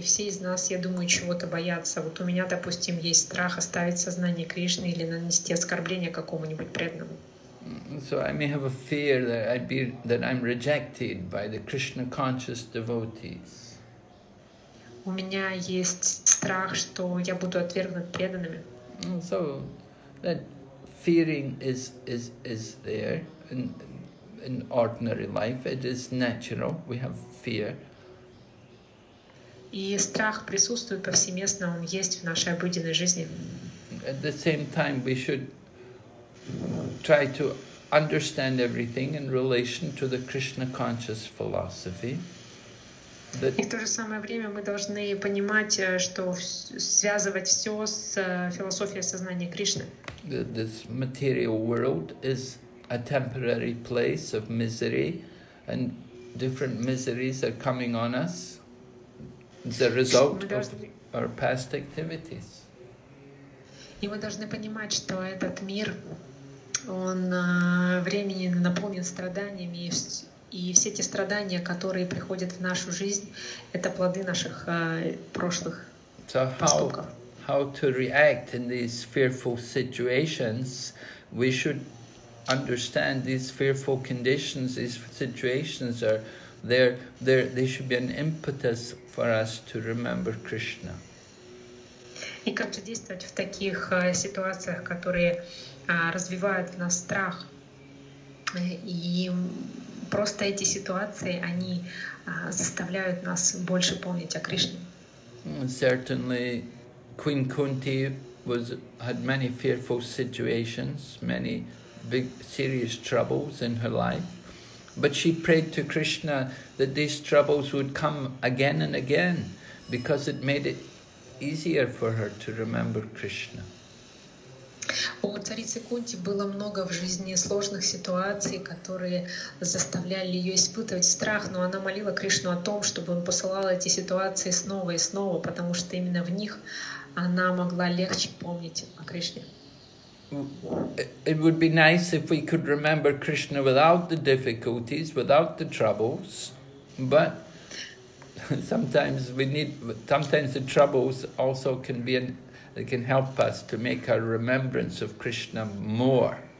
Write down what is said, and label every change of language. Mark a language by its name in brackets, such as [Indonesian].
[Russian] Все из нас, я думаю, чего-то боятся. Вот у меня, допустим, есть страх оставить сознание Кришны или нанести оскорбление какому-нибудь преданному. [English] So I may have a fear that I'd be that I'm rejected by the Krishna conscious devotees. [Russian] У меня есть страх, что я буду отвергнут преданными. [English] So that fearing is there in ordinary life. It is natural. We have fear. [Russian] И страх присутствует повсеместно, он есть в нашей обыденной жизни. [English] At the same time, we should try to understand everything in relation to the Krishna conscious philosophy. [Russian] И в то же самое время мы должны понимать, что связывать все с философией сознания Кришны. [English] This material world is a temporary place of misery, and different miseries are coming on us as a result of our past activities. [Russian] И мы должны понимать, что этот мир, он времени наполнен страданиями, и все те страдания, которые приходят в нашу жизнь, это плоды наших прошлых поступков. [English] So how to react in these fearful situations? We should understand these fearful conditions, these situations are there, they should be an impetus for us to remember Krishna. [Russian] И как же действовать в таких ситуациях, которые развивают в нас страх? И просто эти ситуации, они заставляют нас больше помнить о Кришне. [English] Certainly, Queen Kunti had many fearful situations, many big serious troubles in her life. But she prayed to Krishna that these troubles would come again and again, because it made it easier for her to remember Krishna. [Russian] У царицы Кунти было много в жизни сложных ситуаций, которые заставляли ее испытывать страх, но она молила Кришну о том, чтобы он посылал эти ситуации снова и снова, потому что именно в них она могла легче помнить о Кришне. [English] It would be nice if we could remember Krishna without the difficulties, without the troubles, but sometimes the troubles also can be an they can help us to make our remembrance of Krishna more.